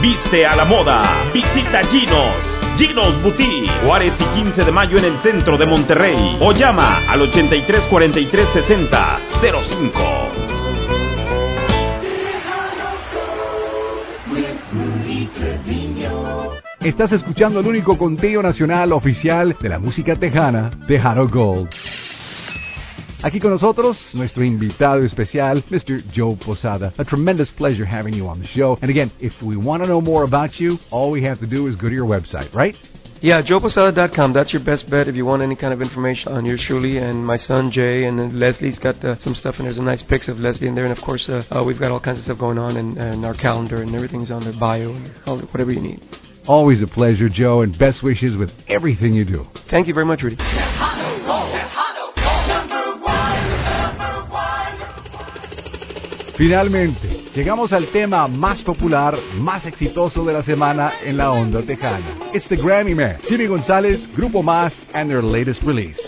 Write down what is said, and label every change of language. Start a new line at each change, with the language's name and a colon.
Spanish: Viste a la moda, visita Gino's. Gino's Boutique, Juárez y 15 de Mayo en el centro de Monterrey, o llama al 83-43-60-05. Estás escuchando el único conteo nacional oficial de la música tejana, Tejano Gold. Aquí con nosotros, nuestro invitado especial, Mr. Joe Posada.
English: A tremendous pleasure having you on the show. And again, if we want to know more about you, all we have to do is go to your website, right? Yeah, joeposada.com. That's your best bet if you want any kind of information on yours truly and my son Jay. And then Leslie's got some stuff in there. Some nice pics of Leslie in there. And of course, we've got all kinds of stuff going on and our calendar and everything's on their bio and whatever you need. Always a pleasure, Joe, and best wishes with everything you do. Thank you very much, Rudy.
Spanish: Finalmente, llegamos al tema más popular, más exitoso de la semana en la onda tejana.
English: It's the Grammy Man, Jimmy González, Grupo Más, and their latest release.